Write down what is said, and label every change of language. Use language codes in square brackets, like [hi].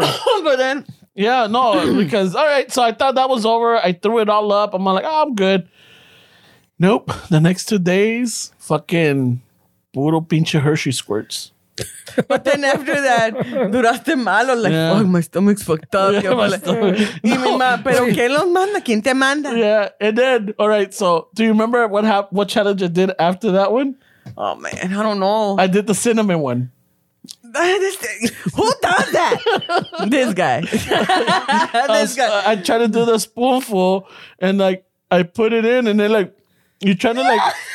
[en] But then... Yeah, no, because... All right, so I thought that was over. I threw it all up. I'm like, oh, I'm good. Nope. The next 2 days, fucking [es] puro pinche [en] Hershey squirts. But then after that, [es] duraste malo, [en] like, yeah. Oh, my stomach's fucked up. Yeah, my stomach. [es] Y mi ma, pero que los manda, quien te manda? [en] Yeah, and then, all right, so do you remember what challenge I did after that one? Oh, man, I don't know. I did the cinnamon one. Who does that? This guy. This guy. I tried to do the spoonful, and, like, I put it in, and they're like, you're trying to, like...